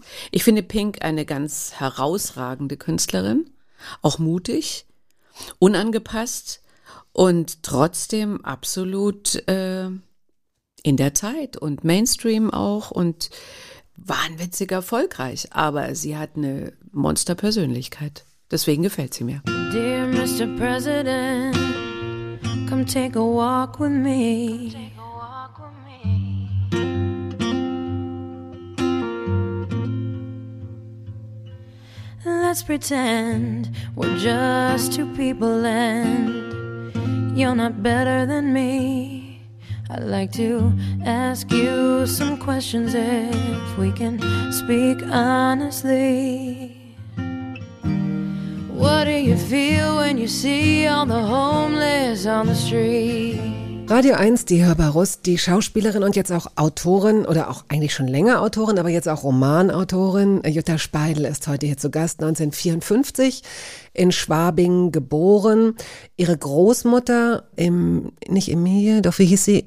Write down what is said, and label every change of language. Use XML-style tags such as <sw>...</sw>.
<de>Ich finde Pink eine ganz herausragende Künstlerin, auch mutig, unangepasst und trotzdem absolut in der Zeit und Mainstream auch und wahnwitzig erfolgreich, aber sie hat eine Monsterpersönlichkeit. Deswegen gefällt sie mir.</de> <en>Dear Mr. President, come take a walk with me. Let's pretend we're just two people and you're not better than me. I'd like to ask you some questions if we can speak honestly. What do you feel when you see all the homeless on the street?</en> <de>Radio 1, die Hörbar Rust, die Schauspielerin und jetzt auch Autorin oder auch eigentlich schon länger Autorin, aber jetzt auch Romanautorin. Jutta Speidel ist heute hier zu Gast, 1954 in Schwabing geboren. Ihre Großmutter, wie hieß sie?</de>